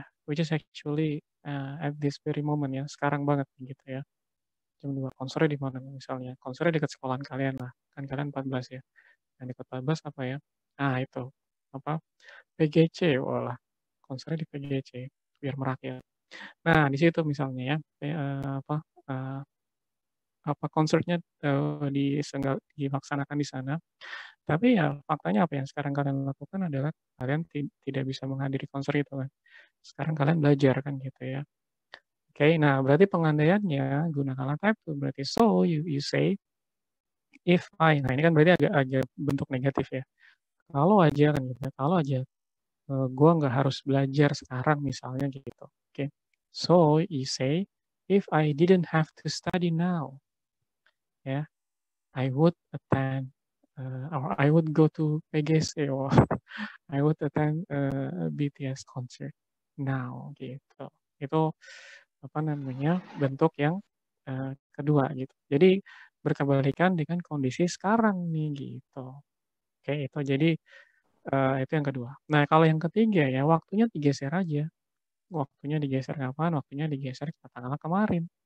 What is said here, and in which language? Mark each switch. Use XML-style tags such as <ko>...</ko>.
<en>Yeah, which is actually at this very moment ya.</en> <id>Sekarang banget gitu ya. Jam 2, konsernya di mana misalnya? Konsernya dekat sekolahan kalian lah. Kan kalian 14 ya. Yang dekat 14 apa ya? Ah, itu. Apa? PGC, walah. Konsernya di PGC. Biar merakyat. Nah, di situ misalnya ya. Apa? Apa konsernya dilaksanakan di sana. Tapi ya faktanya apa yang sekarang kalian lakukan adalah kalian tidak bisa menghadiri konser itu kan. Sekarang kalian belajar kan gitu ya. Oke, okay, nah berarti pengandaiannya gunakanlah type 2. Berarti</id> <en>so you say if I.</en> <id>Nah, ini kan berarti agak bentuk negatif ya. Kalau aja kan gitu. Kalau aja gua nggak harus belajar sekarang misalnya gitu. Oke. Okay.</id> <en>So you say if I didn't have to study now. Ya, I would attend or I would go to PGC or I would attend BTS concert now gitu.</en> <id>Itu apa namanya bentuk yang kedua gitu. Jadi berkebalikan dengan kondisi sekarang nih gitu. Oke, itu jadi itu yang kedua. Nah, kalau yang ketiga ya waktunya digeser aja. Waktunya digeser kapan? Waktunya digeser ke tanggal kemarin.</id>